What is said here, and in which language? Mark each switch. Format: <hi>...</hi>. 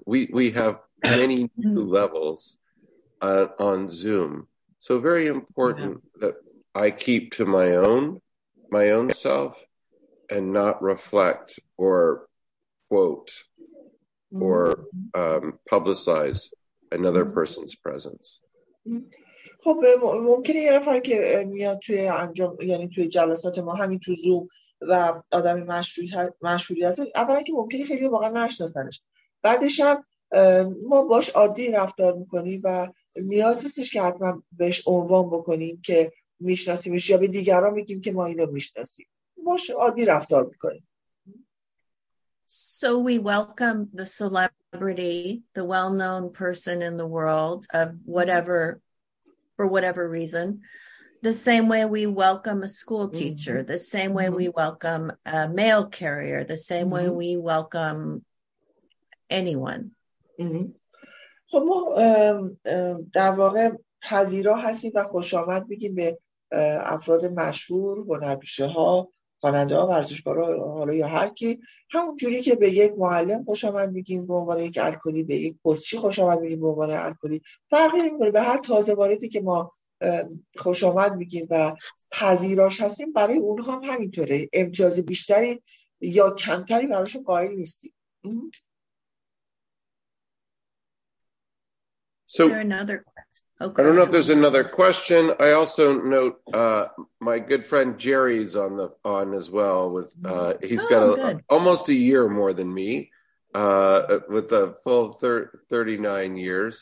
<en>We have many new levels on Zoom, so very important that I keep to my own self and not reflect or quote or publicize another person's presence.</en> <fa>خب ممکنه یه نفر که میاد توی انجام، یعنی توی جلسات ما همین تو زوم و آدم مشهوریت، اولا که ممکنه خیلی واقعا نشناسنش، بعدش هم ما باش عادی رفتار میکنیم و نیاز نیستش که حتما بهش عنوان بکنیم که میشناسیمش یا به دیگران میگیم که ما اینو میشناسیم، باش عادی رفتار میکنیم.</fa> <en>So we welcome the celebrity, the well-known person in the world of whatever, for whatever reason, the same way we welcome a school teacher, the same way we welcome a mail carrier, the same way we welcome anyone.</en> <fa>خب ما در واقع پذیرا هستیم و خوش آمد بگیم به افراد مشهور، هنرپیشه ها، خواننده ها ورزشکارا حالا یا هر کی، همون جوری که به یک معلم خوش آمد میگیم به عنوان یک الکلی، به یک پستچی خوش آمد میگیم به عنوان الکلی، فرقی نمیکنه، به هر تازه واردی که ما خوش آمد میگیم و پذیراش هستیم، برای اونها هم همینطوره، امتیاز بیشتری یا کمتری براشون قائل نیستیم.</fa> <en>So I don't know if there's another question. I also note my good friend Jerry's on the on as well. With he's got almost a year more than me, with a full 39 years.</en>